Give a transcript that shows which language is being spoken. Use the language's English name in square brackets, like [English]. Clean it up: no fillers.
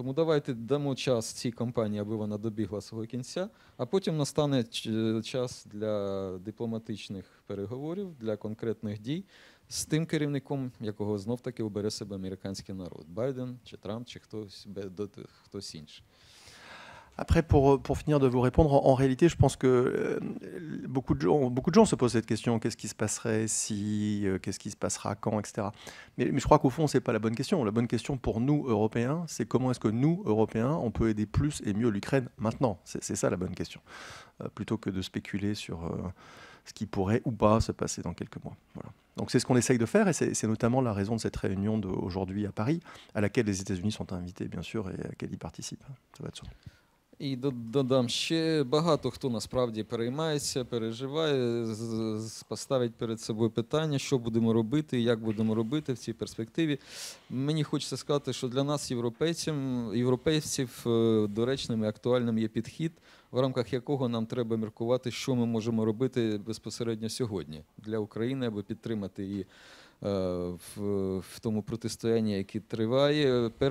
[Ukrainian] Тому давайте дамо час цій кампанії, аби вона добігла свого кінця, а потім настане час для дипломатичних переговорів, для конкретних дій з тим керівником, якого знов-таки обере себе американський народ. Байден, чи Трамп, чи хтось інший. [French] Après, pour finir de vous répondre, en réalité, je pense que beaucoup de gens se posent cette question. Qu'est-ce qui se passerait si, qu'est-ce qui se passera quand, etc. Mais je crois qu'au fond, ce n'est pas la bonne question. La bonne question pour nous, Européens, c'est comment est-ce que nous, Européens, on peut aider plus et mieux l'Ukraine maintenant. C'est ça la bonne question. Plutôt que de spéculer sur ce qui pourrait ou pas se passer dans quelques mois. Voilà. Donc c'est ce qu'on essaye de faire, et c'est notamment la raison de cette réunion d'aujourd'hui à Paris, à laquelle les États-Unis sont invités, bien sûr, et à laquelle ils participent. Ça va de soi. [Ukrainian] І додам, ще багато хто насправді переймається, переживає, поставить перед собою питання, що будемо робити, як будемо робити в цій перспективі. Мені хочеться сказати, що для нас, європейців, доречним і актуальним є підхід, в рамках якого нам треба міркувати, що ми можемо робити безпосередньо сьогодні для України, аби підтримати її в тому протистоянні, яке триває.